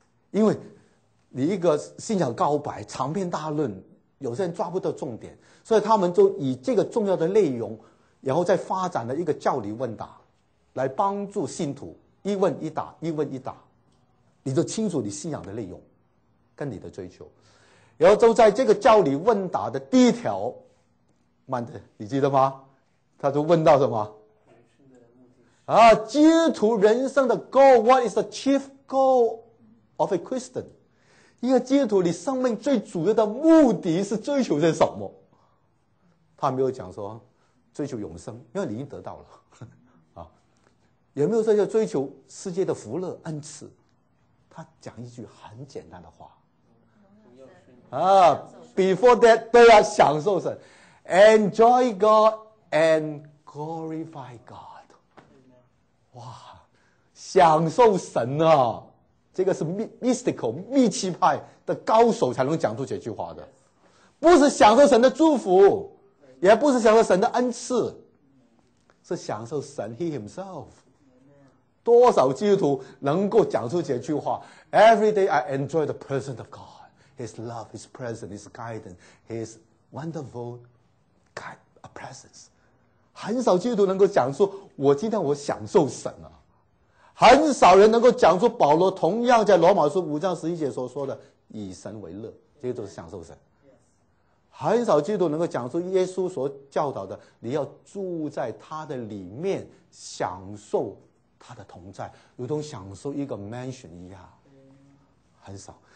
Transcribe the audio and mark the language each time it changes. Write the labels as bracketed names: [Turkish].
[Chinese] 因为你一个信仰告白长篇大论，有些人抓不到重点，所以他们就以这个重要的内容，然后再发展了一个教理问答，来帮助信徒一问一答，一问一答，你就清楚你信仰的内容跟你的追求。然后就在这个教理问答的第一条，慢的，你记得吗？他就问到什么啊，基督徒人生的 [English] goal， What is the chief goal of a Christian？ [Chinese] 一个基督徒，你生命最主要的目的是追求些什么？他没有讲说追求永生，因为你已经得到了啊。有没有说要追求世界的福乐恩赐？他讲一句很简单的话啊 ， [English] Before that [Chinese] 都要享受神 ， [English] Enjoy God and glorify God。 [Chinese] 哇，享受神啊，这个是 mystical 密契派的高手才能讲出这句话的，不是享受神的祝福，也不是享受神的恩赐，是享受神 [English] He himself。 [Chinese] 多少基督徒能够讲出这句话， [English] Every day I enjoy the person of God, His love, His presence, His guidance, His wonderful God, a presence. [Chinese] 很少基督徒能够讲说，我今天我享受神啊。很少人能够讲出保罗同样在罗马书五章十一节所说的以神为乐，这些都是享受神。很少基督徒能够讲出耶稣所教导的你要住在他的里面，享受他的同在，如同享受一个 mansion 一样。很少。